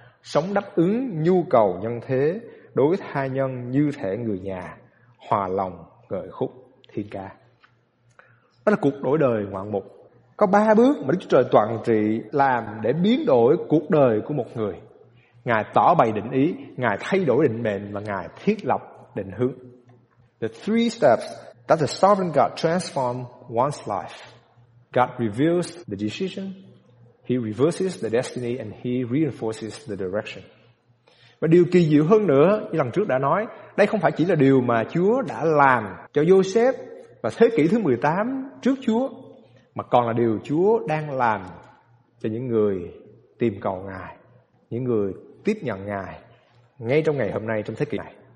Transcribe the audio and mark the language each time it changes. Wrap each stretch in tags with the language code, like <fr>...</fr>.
<vi>Sống đáp ứng nhu cầu nhân thế, đối tha nhân như thể người nhà, hòa lòng ngợi khúc thiên ca. Đó là cuộc đổi đời ngoạn mục. Có 3 bước mà Đức Chúa Trời toàn trị làm để biến đổi cuộc đời của một người. Ngài tỏ bày định ý, Ngài thay đổi định mệnh và Ngài thiết lập định hướng.</vi> <en>The 3 steps that the sovereign God transforms one's life. God reveals the decision, He reverses the destiny and He reinforces the direction.</en> <vi>Và điều kỳ diệu hơn nữa, như lần trước đã nói, đây không phải chỉ là điều mà Chúa đã làm cho Joseph và thế kỷ thứ 18 trước Chúa, mà còn là điều Chúa đang làm cho những người tìm cầu Ngài, những người tiếp nhận Ngài ngay trong ngày hôm nay, trong thế kỷ này.</vi>